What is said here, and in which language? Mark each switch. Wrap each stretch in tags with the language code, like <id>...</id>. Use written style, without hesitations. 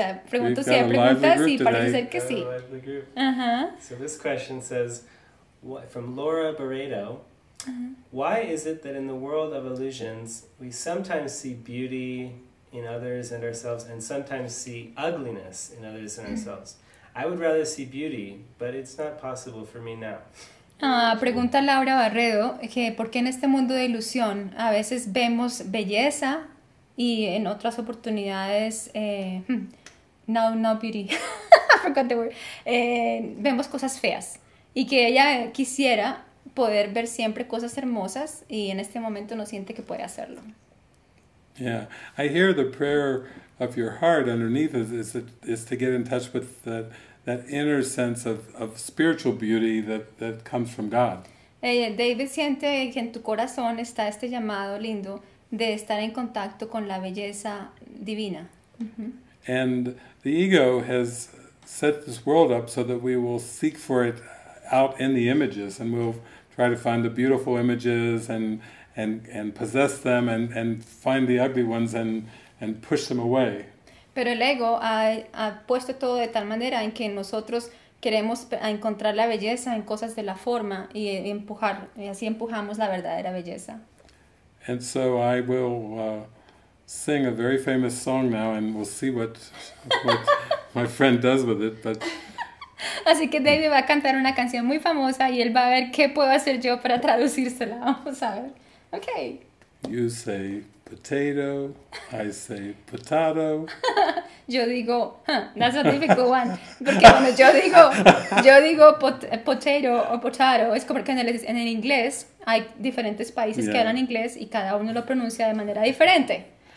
<es>Pregunto si hay preguntas, y parece ser que sí. Uh-huh.</es> <en>So this question says, from Laura Barreto, why is it that in the world of illusions, we sometimes see beauty in others and ourselves, and sometimes see ugliness in others and ourselves? I would rather see beauty, but it's not possible for me now.</en> <es>Pregunta Laura Barredo, que por qué en este mundo de ilusión a veces vemos belleza y en otras oportunidades,</es> <en>beauty, I forgot the word,</en> <es>vemos cosas feas, y que ella quisiera poder ver siempre cosas hermosas y en este momento no siente que puede hacerlo.</es> <en>Yeah, I hear the prayer of your heart underneath is to get in touch with that inner sense of spiritual beauty that comes from God.</en> <es>David siente que en tu corazón está este llamado lindo de estar en contacto con la belleza divina. Mm-hmm.</es> <en>And the ego has set this world up so that we will seek for it out in the images, and we'll try to find the beautiful images and possess them and find the ugly ones and push them away.</en> <es>Pero el ego ha puesto todo de tal manera en que nosotros queremos encontrar la belleza en cosas de la forma y así empujamos la verdadera belleza.</es> <en>And so I will sing a very famous song now, and we'll see what my friend does with it, but</en> <es>así que David va a cantar una canción muy famosa y él va a ver qué puedo hacer yo para traducírsela. Vamos a ver. Okay.</es> <en>You say potato, I say potato.</en> <es>Yo digo,</es> <en>that's a difficult one.</en> <es>Porque cuando yo digo potato o potato, es como que en el inglés hay diferentes países que hablan inglés y cada uno lo pronuncia de manera diferente.</es>